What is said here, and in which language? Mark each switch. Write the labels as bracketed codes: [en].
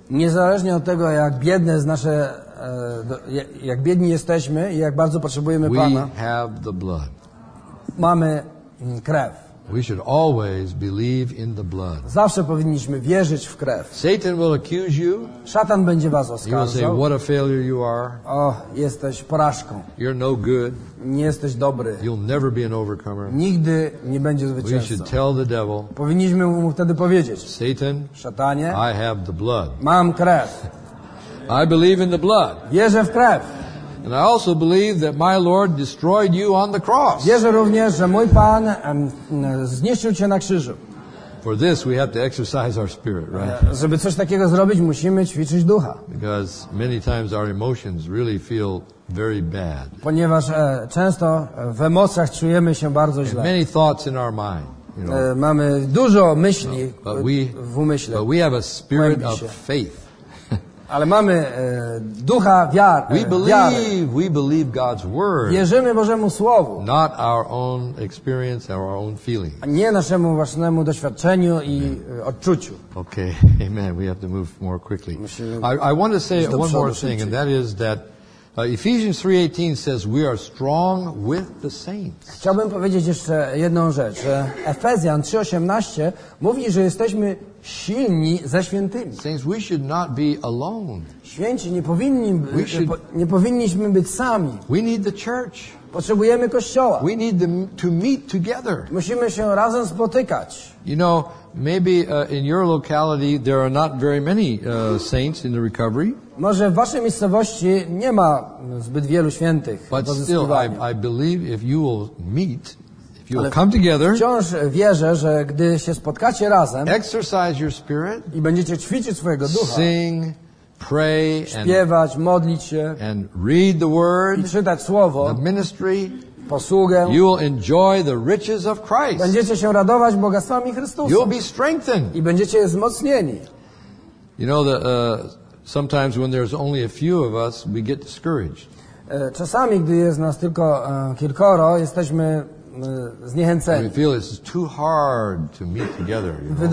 [pl] Niezależnie od tego, jak biedne jest nasze, jak biedni jesteśmy i jak bardzo potrzebujemy [en] we [pl] Pana. [en] We have the blood. [pl] Mamy krew. [en] We should always believe in the blood. [pl] Zawsze powinniśmy wierzyć w krew. [en] Satan will accuse you. [pl] Szatan będzie was oskarżał. [en] He will say, "What a failure you are." [pl] Oh, jesteś porażką. [en] You're no good. [pl] Nie jesteś dobry. [en] You'll never be an overcomer. [pl] Nigdy nie będziesz zwycięzcą. [en] We should tell the devil. [pl] Powinniśmy mu wtedy powiedzieć. [en] Satan. [pl] Szatanie. [en] I have the blood. [pl] Mam krew. [en] I believe in the blood. [pl] Wierzę w krew. [en] And I also believe that my Lord destroyed you on the cross. [pl] Wierzę również, że mój Pan zniszczył cię na krzyżu. [en] For this we have to exercise our spirit, right? [pl] Żeby coś takiego zrobić, musimy ćwiczyć ducha. [en] Because many times our emotions really feel very bad. [pl] Ponieważ często w emocjach czujemy się bardzo źle. [en] And many thoughts in our mind. You know. [pl] Mamy dużo myśli w umyśle. [en] But we have a spirit of faith. [pl] Ale mamy ducha wiary. [en] We believe God's word. [pl] Wierzymy Bożemu słowu. [en] Not our own experience, our own feelings. [pl] A nie naszemu własnemu doświadczeniu i odczuciu. [en] Okay, amen. We have to move more quickly. I want to say one more thing, and that is that Ephesians 3:18 says we are strong with the saints. [pl] Chciałbym powiedzieć jeszcze jedną rzecz. Efezjan 3:18 mówi, że jesteśmy silni ze świętymi. [en] Saints, we should not be alone. [pl] Święci nie powinniśmy być sami. [en] We need the church. [pl] Potrzebujemy kościoła. [en] We need to meet together. [pl] Musimy się razem spotykać. [en] You know, maybe in your locality there are not very many saints in the recovery. [pl] Może w waszej miejscowości nie ma zbyt wielu świętych. [en] But still, I believe if you will meet, If you'll come together, [pl] wciąż wierzę, że gdy się spotkacie razem, [en] exercise your spirit, [pl] i będziecie ćwiczyć swojego ducha, [en] sing, pray, [pl] śpiewać, modlić się, [en] and read the word, [pl] i czytać słowo, [en] the ministry, [pl] posługę, [en] you will enjoy the riches of Christ. [pl] Będziecie się radować bogactwami Chrystusa. [en] You'll be strengthened. [pl] I będziecie wzmocnieni. [en] You know, sometimes when there's only a few of us, we get discouraged. [pl] Czasami, gdy jest nas tylko kilkoro, jesteśmy zniechęceni. [en] We feel it's too hard to meet together, you know?